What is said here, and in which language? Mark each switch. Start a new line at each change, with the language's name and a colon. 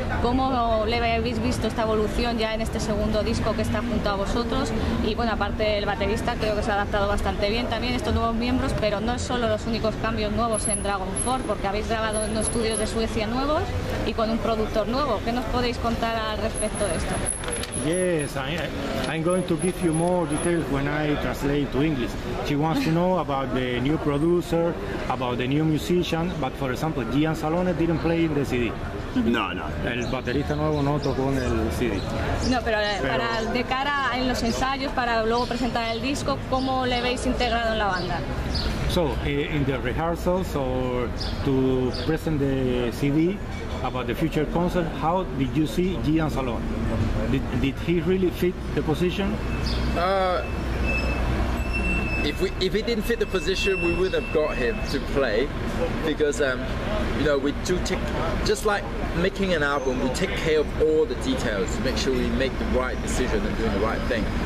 Spanish: ¿Cómo le habéis visto esta evolución ya en este segundo disco que está junto a vosotros? Y bueno, aparte del baterista, creo que se ha adaptado bastante bien también estos nuevos miembros, pero no es solo los únicos cambios nuevos en Dragonforce, porque habéis grabado en unos estudios de Suecia nuevos y con un productor nuevo. ¿Qué nos podéis contar al respecto de esto?
English: Yes, I'm going to give you more details when I translate to English. She wants to know about the new producer, about the new musician, but for example, Gian Salone didn't play in the CD. No.
Spanish: El baterista nuevo no tocó en el CD. No, pero de cara en los ensayos, para luego presentar el disco, ¿cómo le veis integrado en la banda?
English: So, in the rehearsals or to present the CD about the future concert, how did you see Gian Salone? Did he really fit the position? If he didn't fit the position, we would have got him to play, because you know, we do take, just like making an album, we take care of all the details to make sure we make the right decision and doing the right thing.